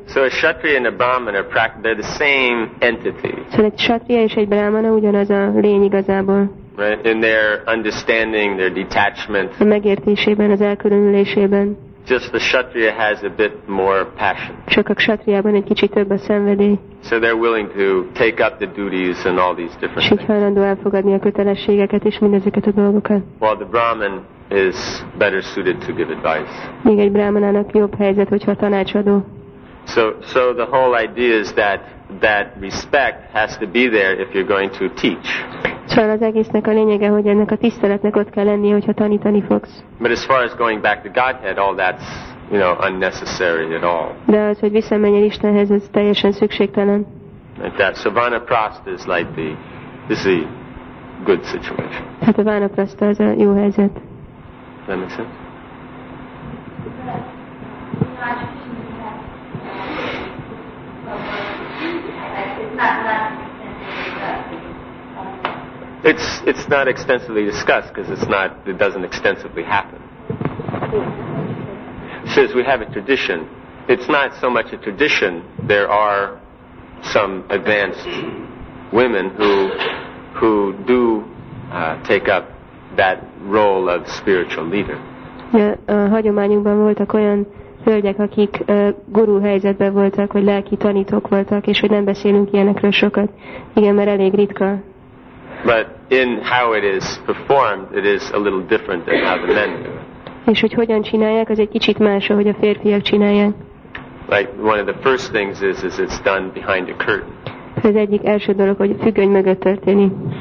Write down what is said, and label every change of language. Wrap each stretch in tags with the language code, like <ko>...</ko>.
<en>So a kshatriya and a brahmana, they're the same entity.</en> <hu>Szóval egy kshatriya és egy brahmana ugyanaz a lény igazából.</hu> <en>Right? In their understanding, their detachment.</en> <hu>A megértésében, az elkülönülésében.</hu> <en>Just the kshatriya has a bit more passion.</en> <hu>Csak a kshatriában egy kicsit több a szenvedély.</hu> <en>So they're willing to take up the duties and all these different things.</en> <hu>És hajlandó elfogadni a kötelességeket és mindezeket a dolgokat.</hu> <en>While the brahmin is better suited to give advice.</en> <hu>Még egy brahmanának jobb helyzet, hogyha tanácsadó.</hu> <en>So the whole idea is that respect has to be there if you're going to teach.</en> <hu>Szóval az egésznek a lényege, hogy ennek a tiszteletnek ott kell lennie, hogyha tanítani fogsz.</hu> <en>But as far as going back to Godhead, all that's, you know, unnecessary at all.</en> <hu>De az, hogy visszamenjél Istenhez, ez teljesen szükségtelen.</hu> <en>Like that. So Vanaprastha is like this is a good situation.</en> <hu>Hát a Vanaprastha az a jó helyzet.</hu> <en>Does that make sense? It's not extensively discussed because it doesn't extensively happen. Says we have a tradition. It's not so much a tradition. There are some advanced women who do take up that role of spiritual leader.</en> <hu>Yeah, hagyományunkban voltak olyan hölgyek, akik guru helyzetben voltak, vagy lelki tanítók voltak, és hogy nem beszélünk ilyenekről sokat. Igen, mert elég ritka.</hu> <en>But in how it is performed, it is a little different than how the men do it.</en> <hu>És hogy hogyan csinálják, az egy kicsit más, ahogy a férfiak csinálják.</hu> <en>Like one of the first things is it's done behind a curtain.</en> <hu>Az egyik első dolog, hogy függöny mögött történik.</hu>